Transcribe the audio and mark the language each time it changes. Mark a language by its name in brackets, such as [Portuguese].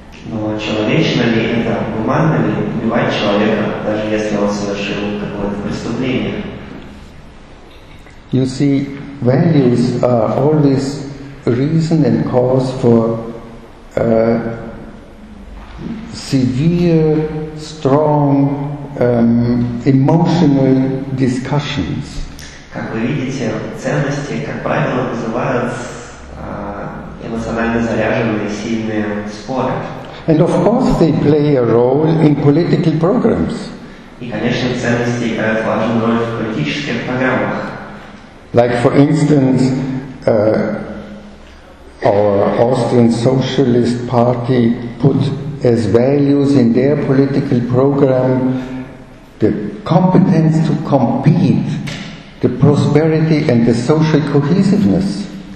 [Russian] Но человечно ли это, гуманно ли убивать человека, даже если он совершил какое-то преступление? [English] You see, values are always reason and cause for severe, strong, emotional discussions. [Russian] Как вы видите, ценности, как правило, вызывают эмоционально заряженные, сильные споры. [English] And of course they play a role in political programs. [Russian] И, конечно, ценности играют важную роль в политических программах. [English] Like, for instance, our Austrian Socialist Party put as values in their political program the competence to compete, the prosperity and the social cohesiveness.